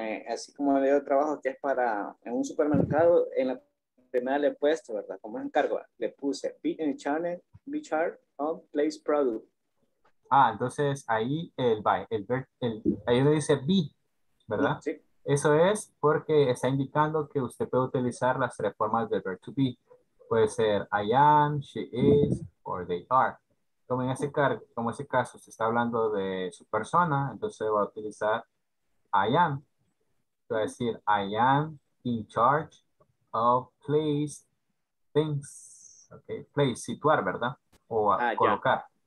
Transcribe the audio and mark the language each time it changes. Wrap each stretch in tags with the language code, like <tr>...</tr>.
<es>Así como le doy trabajo que es para en un supermercado, en la primera le he puesto, ¿verdad? Como es encargo, le puse</es> <en>be in charge of place product.</en> <es>Ah, entonces ahí el by, el ahí le dice be, ¿verdad? Sí. Eso es porque está indicando que usted puede utilizar las tres formas del verb to be. Puede ser</es> <en>I am, she is, or they are.</en> <es>Como en ese, como ese caso, se está hablando de su persona, entonces va a utilizar</es> <en>I am.</en> <es>Va a decir,</es> <en>I am in charge of place things. Okay.</en> <es>Place, situar, ¿verdad? O colocar.</es>